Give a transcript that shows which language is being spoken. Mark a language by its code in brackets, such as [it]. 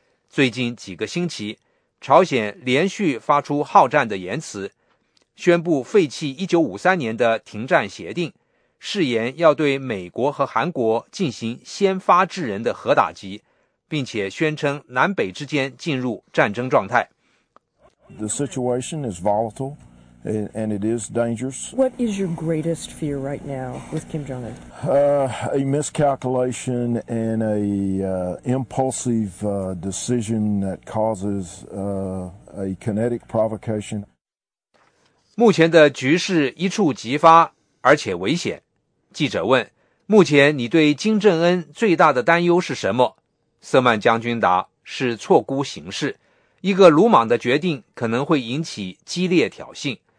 [zh] 最近几个星期，朝鲜连续发出好战的言辞，宣布废弃1953年的停战协定，誓言要对美国和韩国进行先发制人的核打击，并且宣称南北之间进入战争状态。 [en] The situation is volatile and it is dangerous. What is your greatest fear right now with Kim Jong-un? A miscalculation and a impulsive decision that causes a kinetic provocation. [zh] 目前的局势一触即发，而且危险。记者问，目前你对金正恩最大的担忧是什么？瑟曼将军答，是错估形势。一个鲁莽的决定可能会引起激烈挑衅。